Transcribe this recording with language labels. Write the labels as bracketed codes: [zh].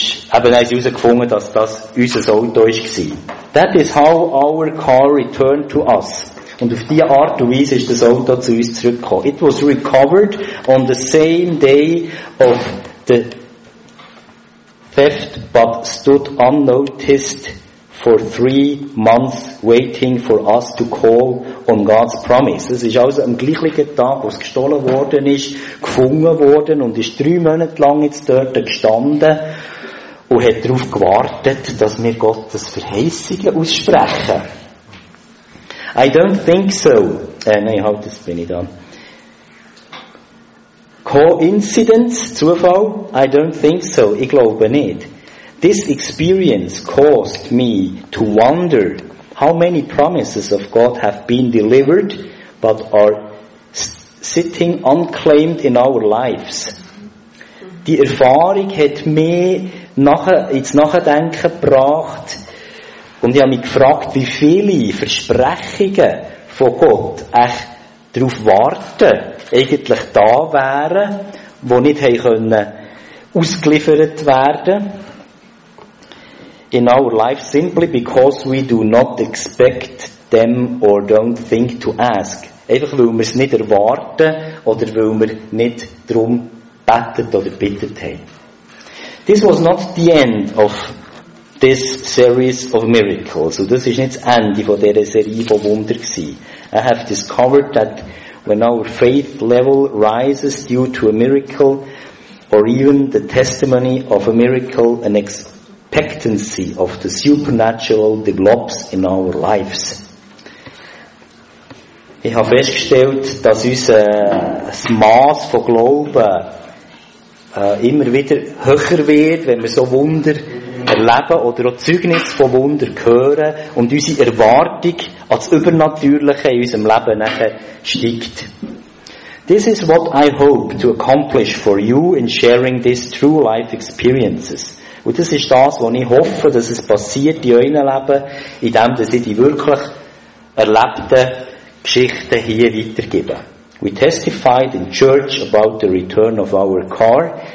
[de] Haben sie herausgefunden, dass das unser Auto war. [en] That is how our car returned to us. [de] Und auf diese Art und Weise ist das Auto zu uns zurückgekommen. [en] It was recovered on the same day of the theft, but stood unnoticed for 3 months waiting for us to call on God's promise. [de] Es ist also am gleichen Tag, wo es gestohlen worden ist, gefunden worden und ist 3 Monate lang jetzt dort gestanden und hat darauf gewartet, dass wir Gottes Verheißungen aussprechen. [en] I don't think so. [de] Das bin ich da. [en] Coincidence, Zufall? I don't think so. [de] Ich glaube nicht. [en] This experience caused me to wonder how many promises of God have been delivered but are sitting unclaimed in our lives. [de] Die Erfahrung hat mich ins Nachdenken gebracht und ich habe mich gefragt, wie viele Versprechungen von Gott echt darauf warten, eigentlich da wären, wo nicht haben können ausgeliefert werden. [en] In our life simply because we do not expect them or don't think to ask. [de] Einfach weil wir es nicht erwarten oder weil wir nicht darum betet oder bittet haben. [en] This was not the end of this series of miracles. [de] So das ist nicht das Ende von dieser Serie von Wunder gewesen. [en] I have discovered that when our faith level rises due to a miracle or even the testimony of a miracle, an expectancy of the supernatural develops in our lives. [de] Ich habe festgestellt, dass unser das Maß von Glauben immer wieder höher wird, wenn wir so Wunder erleben oder auch Zeugnis von Wunder hören und unsere Erwartung als Übernatürliche in unserem Leben nachher steigt. [en] This is what I hope to accomplish for you in sharing these true life experiences. [de] Und das ist das, was ich hoffe, dass es passiert in euren Leben, indem sie die wirklich erlebten Geschichten hier weitergeben. [en] We testified in church about the return of our car.